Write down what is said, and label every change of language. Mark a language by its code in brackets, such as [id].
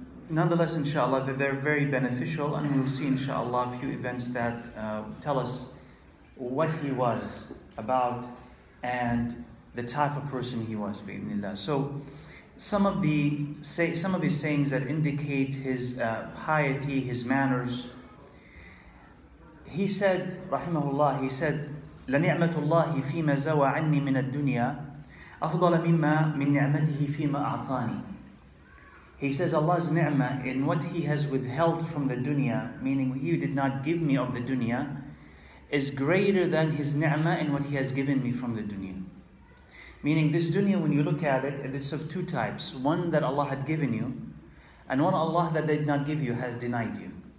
[en] Nonetheless, inshallah, that they're very beneficial, and we'll see, inshallah, a few events that tell us what he was about and the type of person he was, bi-idhnillah. So, some of his sayings that indicate his piety, his manners. He said, rahimahullah, he said, [ar] لَنِعْمَةُ اللَّهِ فِي مَا زَوَى عَنِّي مِنَ الدُّنْيَا أَفْضَلَ مِمَّا مِنْ نِعْمَتِهِ فِي مَا أَعْطَانِي. [en] He says, Allah's ni'mah in what he has withheld from the dunya, meaning he did not give me of the dunya, is greater than his ni'mah in what he has given me from the dunya. Meaning this dunya, when you look at it, it's of two types. One that Allah had given you, and one Allah that did not give you has denied you.